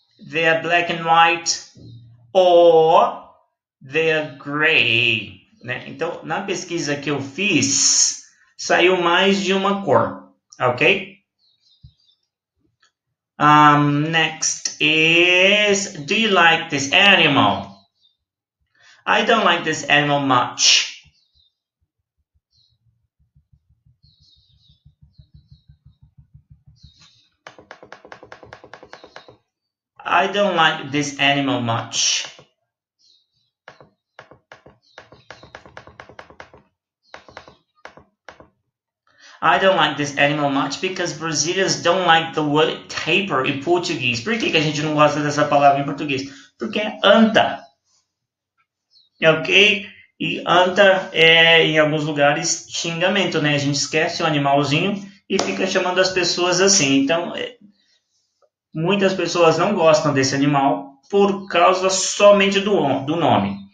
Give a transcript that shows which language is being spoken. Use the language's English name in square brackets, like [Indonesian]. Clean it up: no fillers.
[English] They are black and white or they are gray, né? [Portuguese] Então, na pesquisa que eu fiz, saiu mais de uma cor, ok? [English] Next is, do you like this animal? I don't like this animal much. I don't like this animal much. I don't like this animal much because Brazilians don't like the word tapir in Portuguese. [Portuguese] Por que a gente não gosta dessa palavra em português? Porque é anta. Ok? E anta é, em alguns lugares, xingamento, né? A gente esquece o animalzinho e fica chamando as pessoas assim. Então, muitas pessoas não gostam desse animal por causa somente do nome.